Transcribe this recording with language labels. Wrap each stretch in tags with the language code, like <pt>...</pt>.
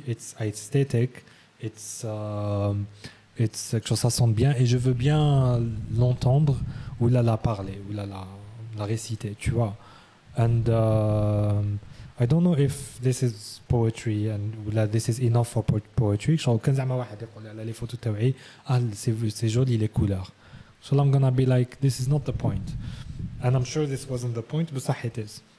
<en>Pretty. It's aesthetic. It's</en> <fr>quelque chose. Ça sent bien et je veux bien l'entendre ou la parler ou la réciter. Tu vois.</fr> <en>And I don't know if this is poetry and this is enough for poetry.</en> <fr>So quand j'ai ma voix, je vais aller photo taoui. Ah, c'est joli les couleurs.</fr> <en>So I'm gonna be like, this is not the point. And I'm sure this wasn't the point, but it is.</en>